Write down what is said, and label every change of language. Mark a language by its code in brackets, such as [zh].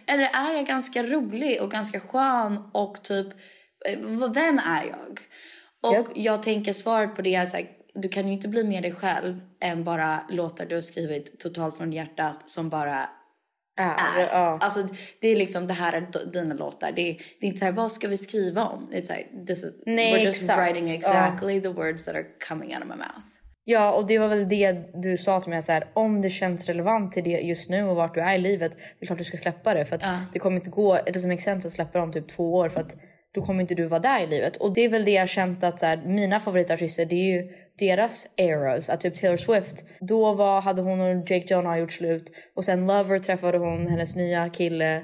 [sv] Eller är jag ganska rolig och ganska skön och typ, vem är jag? Och jag tänker svaret på det är så här, du kan ju inte bli mer dig själv än bara låtar du har skrivit totalt från hjärtat som bara är. Alltså det är liksom, det här är dina låtar. Det är inte så här, vad ska vi skriva om? [en] It's like, this is, [sv] nej, [en] we're just [sv] exakt. [en] Writing exactly the words that are coming out of my mouth. [sv] Ja, och det var väl det du sa till mig, så här, om det känns relevant till det just nu och vart du är i livet, det är klart du ska släppa det. För att det kommer inte gå, det som [en] makes sense [sv] att släppa dem typ 2 år, för att då kommer inte du vara där i livet. Och det är väl det jag känt att så här, mina favoritartister, det är ju deras eras, att typ Taylor Swift, då var, hade hon och Jake Jonah gjort slut, och sen Lover träffade hon hennes nya kille.